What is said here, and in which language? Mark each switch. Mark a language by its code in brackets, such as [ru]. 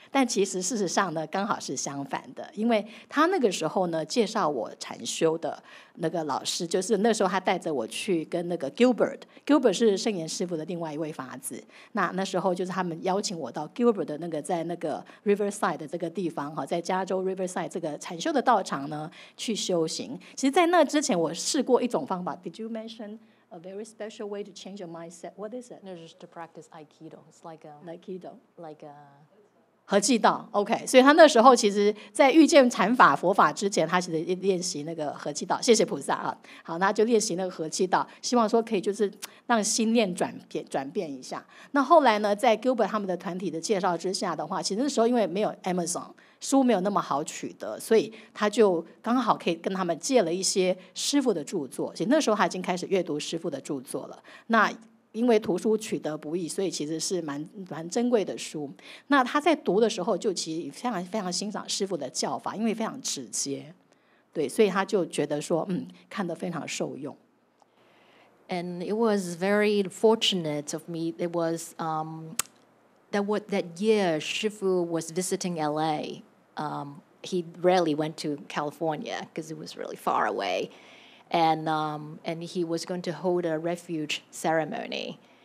[zh] 但其实事实上呢，刚好是相反的，因为他那个时候呢，介绍我禅修的那个老师，就是那时候他带着我去跟那个 Gilbert 是圣严师父的另外一位法子。那时候就是他们邀请我到 Gilbert 的那个在那个 Riverside 的这个地方哈。在加州 Riverside 这个禅修的道场呢去修行。其实在那之前我试过一种方法。 [en] Did you mention a very special way to change your mindset? What is it? No, just to practice Aikido. It's like a... Aikido. Like a... [zh] 合气道。 OK, 所以他那时候其实在遇见禅法佛法之前，他其实练习那个合气道。谢谢菩萨啊。好，那就练习那个合气道，希望说可以就是让心念转变一下。那后来呢，在 Gilbert 他们的团体的介绍之下的话，其实那时候因为没有 Amazon书没有那么好取得，所以他就刚好可以跟他们借了一些师父的著作。其实那时候他已经开始阅读师父的著作了。那因为图书取得不易，所以其实是 蛮珍贵的书。那他在读的时候就其实非常非常欣赏师父的教法，因为非常直接，对，所以他就觉得说看得非常受用。 [en] And it was very fortunate of me. It was That year, 师父 was visiting LA. He rarely went to California because it was really far away. And he was going to hold a refuge ceremony.